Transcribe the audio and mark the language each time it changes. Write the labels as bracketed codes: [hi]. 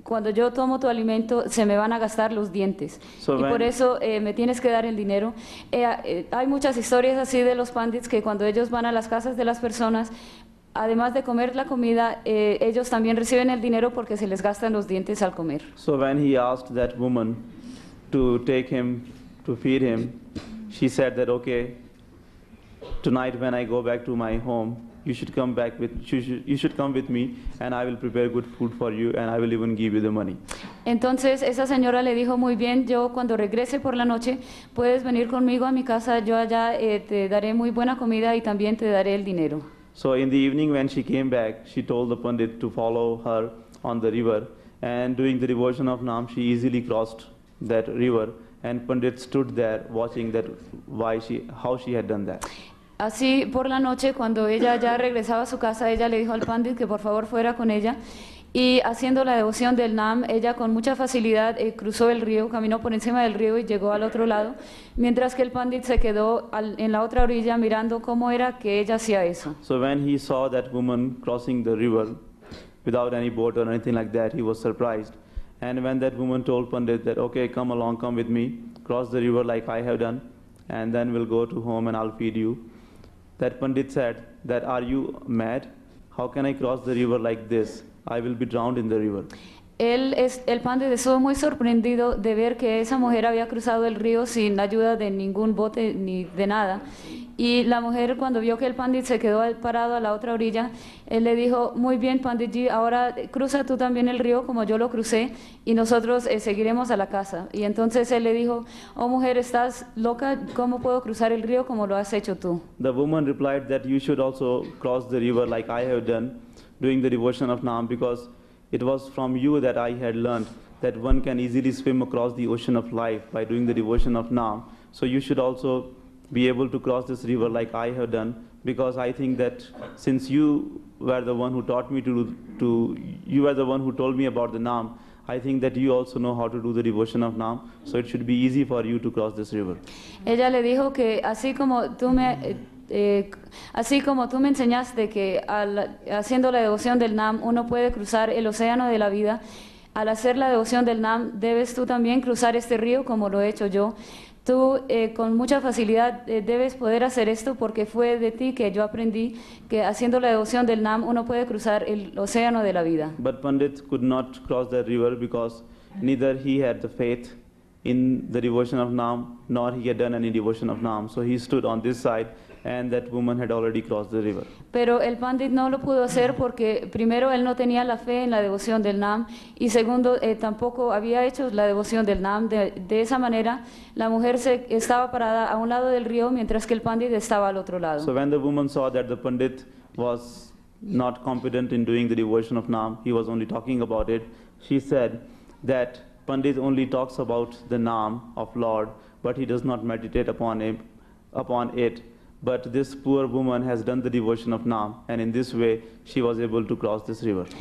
[es] Cuando yo tomo tu alimento, se me van a gastar los dientes. So y por eso me tienes que dar el dinero. Hay muchas historias así de los pandits que cuando ellos van a las casas de las personas, además de comer la comida, ellos también reciben el dinero porque se les gastan los dientes al comer. [en] So when he asked that woman to take him, to feed him, she said that, okay, tonight when I go back to my home, you should come back with you should come with me and I will prepare good food for you and I will even give you the money. [es] Entonces esa señora le dijo muy bien, yo cuando regrese por la noche puedes venir conmigo a mi casa, yo allá te daré muy buena comida y también te daré el dinero. [en] So in the evening when she came back, she told the pandit to follow her on the river, and during the devotion of Nam she easily crossed that river, and pandit stood there watching that how she had done that. [es] Así por la noche, cuando ella ya regresaba a su casa, ella le dijo al pandit que por favor fuera con ella. Y haciendo la devoción del Nam, ella con mucha facilidad cruzó el río, caminó por encima del río y llegó al otro lado, mientras que el pandit se quedó en la otra orilla mirando cómo era que ella hacía eso. [en] So when he saw that woman crossing the river without any boat or anything like that, he was surprised. And when that woman told pandit that, okay, come along, come with me, cross the river like I have done, and then we'll go to home and I'll feed you. That pandit said that, are you mad? How can I cross the river like this? I will be drowned in the river. [es] El pandit estuvo muy sorprendido de ver que esa mujer había cruzado el río sin ayuda de ningún bote ni de nada. Y la mujer cuando vio que el pandit se quedó parado a la otra orilla, él le dijo, muy bien panditji, ahora cruza tú también el río como yo lo crucé y nosotros seguiremos a la casa. Y entonces él le dijo, oh mujer, ¿estás loca? ¿Cómo puedo cruzar el río como lo has hecho tú? [en] The woman replied that you should also cross the river like I have done during the devotion of Nam, because it was from you that I had learned that one can easily swim across the ocean of life by doing the devotion of Nam. So you should also be able to cross this river like I have done, because I think that since you were the one who taught me you were the one who told me about the Nam, I think that you also know how to do the devotion of Nam, so it should be easy for you to cross this river. [es] Ella le dijo que así como tú me enseñaste que haciendo la devoción del Nam uno puede cruzar el océano de la vida, al hacer la devoción del Nam debes tú también cruzar este río como lo he hecho yo. Tú con mucha facilidad debes poder hacer esto porque fue de ti que yo aprendí que haciendo la devoción del Nam uno puede cruzar el océano de la vida. [en] But pandit could not cross that river because neither he had the faith in the devotion of Nam nor he had done any devotion of Nam, so he stood on this side and that woman had already crossed the river. [es] Pero el pandit no lo pudo hacer porque primero él no tenía la fe en la devoción del Nam y segundo tampoco había hecho la devoción del Nam. De esa manera la mujer estaba parada a un lado del río mientras que el pandit estaba al otro lado. [en] So when the woman saw that the pandit was not competent in doing the devotion of Nam, he was only talking about it, she said that pandit only talks about the Nam of Lord, but he does not meditate upon it. But this poor woman has done the devotion of Nam, and in this way she was able to cross this river.